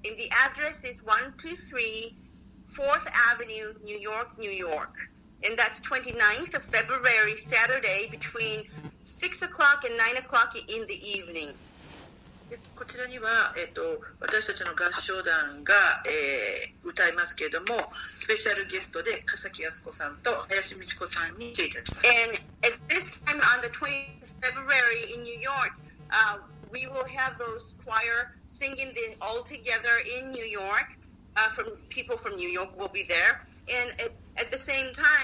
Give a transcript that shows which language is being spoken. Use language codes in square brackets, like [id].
[en] And the address is 123 4th Avenue, New York, New York. And that's 29th of February, Saturday, between 6 o'clock and 9 o'clock in the evening. [ja] でこちらには、私たちの合唱団が、歌いますけれども、スペシャルゲストで笠木康子さんと林道子さんに来ていただきます。 [en] And at this time on the 20th of February in New York, we will have those choir singing the all together in New York. From people from New York will be there. And at the same time,